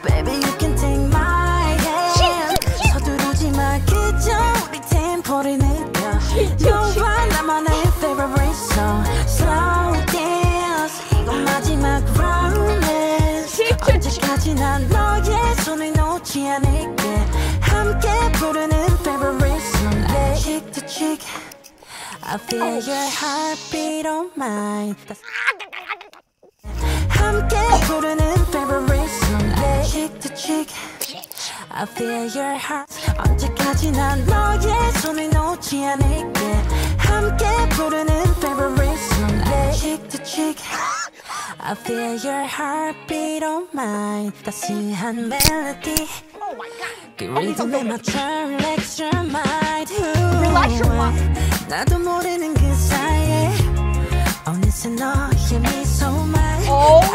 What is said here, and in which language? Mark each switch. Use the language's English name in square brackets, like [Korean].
[English] Baby, you can take my hand. [Korean] 서두르지 말겠죠. 우리 템포리니까. 너와 나만의 [English] favorite song. Slow dance. [Korean] 이건 마지막 [English] romance. [Korean] 언제까지 난 너의 손을 놓지 않을게. 함께 부르는 [English] favorite song. Cheek to cheek, I feel your heartbeat on mine. [Korean] 함께 부르는 [English] favorite song. Cheek to cheek, I feel your heart. [Korean] 언제까지나 너의 손을 놓지 않을게. 함께 부르는 [English] favorite song. Cheek to cheek, I feel your heartbeat on mine. [Korean] 따스한 melody. [English] Oh my god. Relax your mind. Relax your mind. Oh.